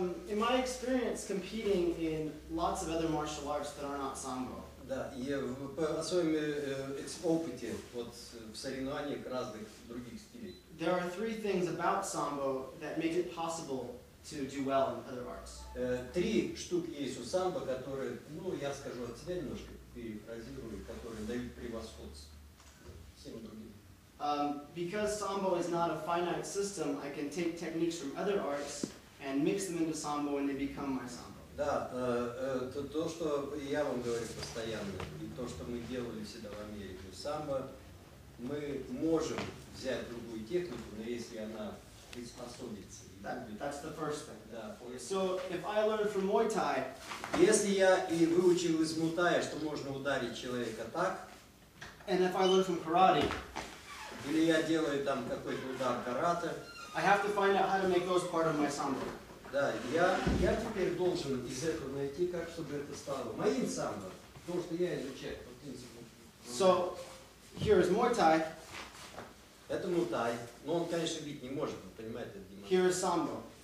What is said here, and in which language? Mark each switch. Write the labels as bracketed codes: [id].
[en] In my experience, competing in lots of other martial arts that are not Sambo. [ru] Да, я по своему опыте вот в соревнованиях разных других стилей. [en] There are three things about Sambo that make it possible to do well in other arts. [ru] Три штуки есть у самбо, которые, ну, я скажу от себя немножко перефразирую, которые дают превосходство всем другим. [en] Because Sambo is not a finite system, I can take techniques from other arts and mix them into Sambo and they become my Sambo. [ru] Да, то, что я вам говорю постоянно, и то, что мы делали всегда в Америке, самбо, мы можем взять другую технику, но если она приспособится. [en] That's the first thing. [ru] Да, [en] so if I learn from Muay Thai, [ru] если я и выучил из мутая, что можно ударить человека так, [en] and if I learn from karate, [ru] или я делаю там какой-то удар карате, [en] I have to find out how to make those part of my samba. [ru] Да, я теперь должен из этого найти, как чтобы это стало моим самбо, потому что я изучаю по принципу. [en] So here is Muay Thai. [ru] Это мутай, но он, конечно, бить не может, вы понимаете, Дима. [en] Here is Sambo.